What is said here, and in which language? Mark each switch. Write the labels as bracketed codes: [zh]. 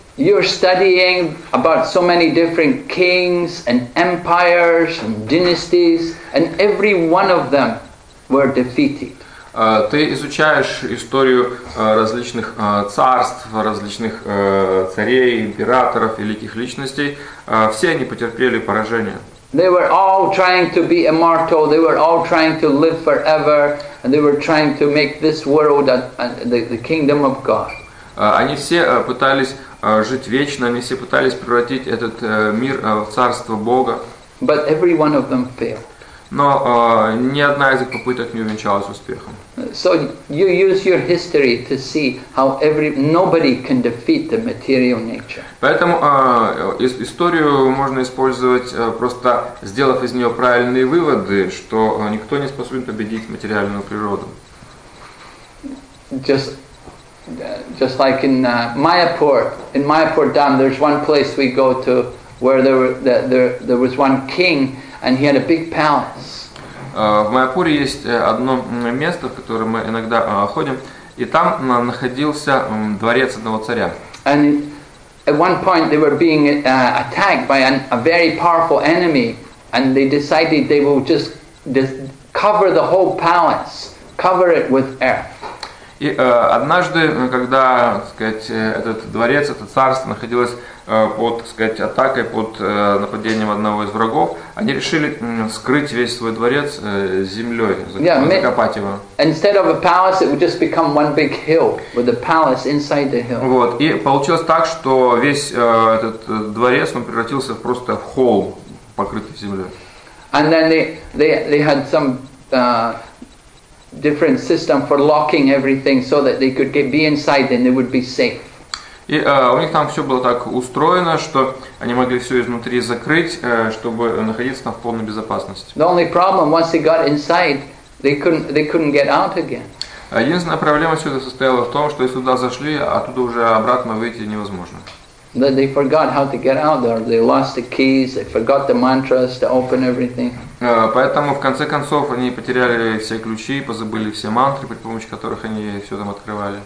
[en] You're studying about so many different kings and empires and dynasties, and every one of them were defeated. [ru] Ты изучаешь историю различных царств, различных царей, императоров, великих личностей. Все они потерпели поражение. [en] They were all trying to be immortal, they were all trying to live forever, and they were trying to make this world the kingdom of God. [ru] Они все пытались жить вечно, они все пытались превратить этот мир в царство Бога. [en] But every one of them failed. [ru] Но ни одна из их попыток не увенчалась успехом. [en] So you use your history to see how nobody can defeat the material nature. [ru] Поэтому историю можно использовать просто сделав из нее правильные выводы, что никто не способен победить материальную природу. [en] Just like in Mayapur Dam, there's one place we go to where there was one king. And he had a big palace. [ru] В Майяпуре есть одно место, в которое мы иногда ходим, и там находился дворец одного царя. [en] And at one point they were being attacked by a very powerful enemy, and they decided they will just cover the whole palace, cover it with earth. [ru] И однажды, когда, так сказать, этот дворец, это царство находилось под, так сказать, атакой, под нападением одного из врагов, они решили скрыть весь свой дворец землей, закопать его. [en] Instead of a palace, it would just become one big hill with a palace inside the hill. [ru] Вот, и получилось так, что весь этот дворец, он превратился в просто в холм, покрытый землей. [en] And then they had some different system for locking everything so that they could be inside and they would be safe. [ru] И у них там все было так устроено, что они могли все изнутри закрыть, чтобы находиться там в полной безопасности. [en] The only problem, once they got inside, they couldn't get out again. [ru] Единственная проблема все это состояла в том, что если туда зашли, оттуда уже обратно выйти невозможно. [en] That they forgot how to get out, or they lost the keys, they forgot the mantras to open everything. [ru] Поэтому в конце концов они потеряли все ключи, позабыли все мантры, при помощи которых они все там открывали.